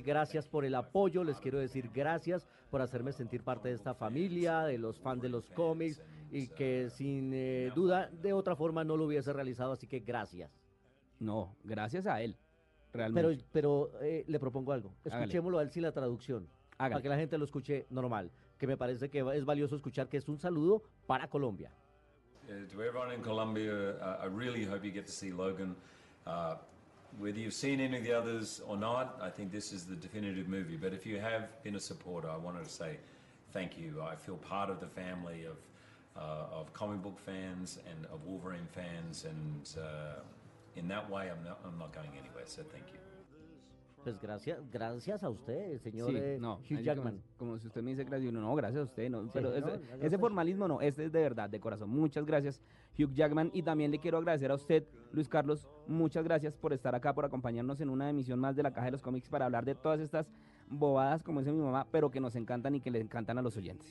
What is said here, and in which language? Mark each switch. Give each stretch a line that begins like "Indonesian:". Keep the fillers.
Spanish: Gracias por el apoyo, les quiero decir gracias por hacerme sentir parte de esta familia, de los fans de los cómics y que sin duda de otra forma no lo hubiese realizado, así que gracias. No, gracias a él, realmente. Pero, pero eh, le propongo algo, escuchémoslo a él sin la traducción, Hágane. para que la gente lo escuche normal. que me parece que es valioso escuchar que es un saludo para Colombia.
English: To everyone in Colombia, I really hope you get to see Logan. Uh, whether you've seen any of the others or not, I think this is the definitive movie. But if you have been a supporter, I wanted to say thank you. I feel part of the family of, uh, of comic book fans and of Wolverine fans. And uh, in that way, I'm not, I'm not going anywhere. So thank you.
Spanish: Pues gracias, gracias a usted, señor sí, no, Hugh Jackman. Como, como, si usted me dice gracias, no, gracias a usted. No, sí, pero señor, ese, ya ese, ya ese usted. formalismo no, este es de verdad, de corazón. Muchas gracias, Hugh Jackman. Y también le quiero agradecer a usted, Luis Carlos, muchas gracias por estar acá, por acompañarnos en una emisión más de la Caja de los Cómics para hablar de todas estas bobadas, como dice mi mamá, pero que nos encantan y que les encantan a los oyentes.